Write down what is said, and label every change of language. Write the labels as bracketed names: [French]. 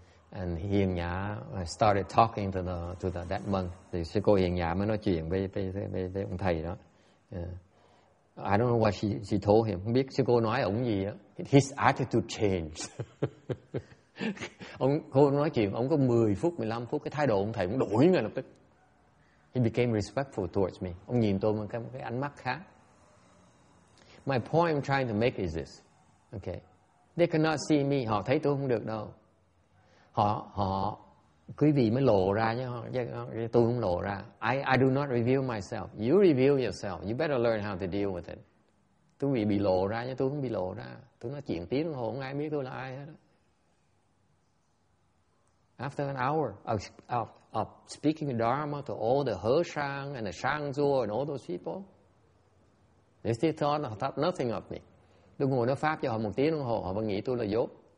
[English] And Hiền Nhã started talking to that monk. [Vietnamese] Thì sư cô Hiền Nhã mới nói chuyện với ông thầy đó. [English] I don't know what she told him. [Vietnamese] Không biết sư cô nói ông gì á. [English] His attitude changed. [Vietnamese] Ông cô nói chuyện, ông có 10 phút, 15 phút, cái thái độ ông thầy cũng đổi ngay lập tức. [English] He became respectful towards me. [Vietnamese] Ông nhìn tôi với cái ánh mắt khác. [English] My point I'm trying to make is this. Okay. They cannot see me. [Vietnamese] Họ thấy tôi không được đâu. Họ quý vị mới lộ ra chứ tôi không lộ ra. [English] I do not reveal myself. You reveal yourself. You better learn how to deal with it. [Vietnamese] Tôi bị lộ ra chứ tôi không bị lộ ra. Tôi nói chuyện tiếng đồng hồ, không ai biết tôi là ai hết. [English] After an hour of speaking Dharma to all the He Shang and the Shang Zhu and all those people, they still thought nothing of me. [Vietnamese] Tôi ngồi nói pháp cho họ một tiếng đồng hồ, họ vẫn nghĩ tôi là dốt.